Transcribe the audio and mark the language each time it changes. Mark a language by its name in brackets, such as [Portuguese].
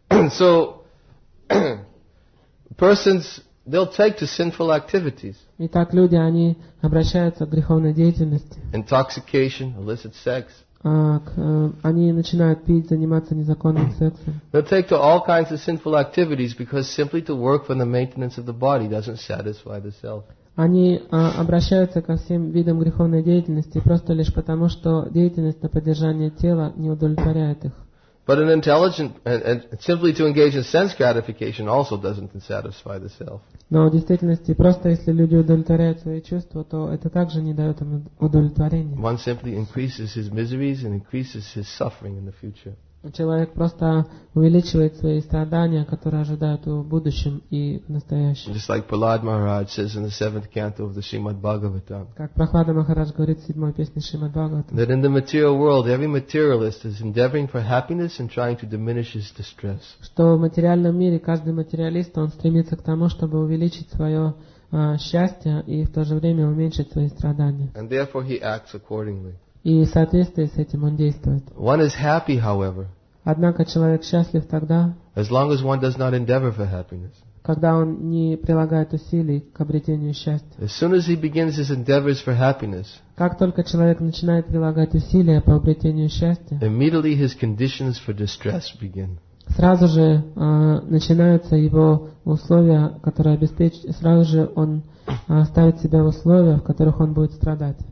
[English] So, persons, they'll take to sinful activities. [Russian] Итак, люди, они обращаются к греховной деятельности. [English] Intoxication, illicit sex. [Russian] Они начинают пить, заниматься незаконным сексом. [English] They'll take to all kinds of sinful activities because simply to work for the maintenance of the body doesn't satisfy the self. [Russian] Они обращаются ко всем видам греховной деятельности просто лишь потому, что деятельность на поддержание тела не удовлетворяет их. [English] But an intelligent and simply to engage in sense gratification also doesn't satisfy the self. [Russian] Но в действительности просто если люди удовлетворяют свои чувства, то это также не дает им удовлетворения. [English] One simply increases his miseries and increases his suffering in the future. [Russian] Человек просто увеличивает свои страдания, которые ожидают его в будущем и в настоящем. [English] Just like Prahlad Maharaj says in the seventh canto of the Srimad Bhagavatam. [Russian] Как Прахлада Махарадж говорит в седьмой песне Шримад Бхагаватам. [English] That in the material world, every materialist is endeavoring for happiness and trying to diminish his distress. [Russian] Что в материальном мире каждый материалист, он стремится к тому, чтобы увеличить свое счастье и в то же время уменьшить свои страдания. [English] And therefore he acts accordingly. [Russian] И в соответствии с этим он действует. [English] One is happy, however, [Russian] однако человек счастлив тогда, [English] as long as one does not endeavor for happiness. [Russian] Когда он не прилагает усилий к обретению счастья. [English] As soon as he begins his endeavors for happiness, [Russian] как только человек начинает прилагать усилия по обретению счастья, [English] immediately his conditions for distress begin. [Russian] Сразу же начинаются его условия, которые обеспечивают, сразу же он ставит себя в условия, в которых он будет страдать.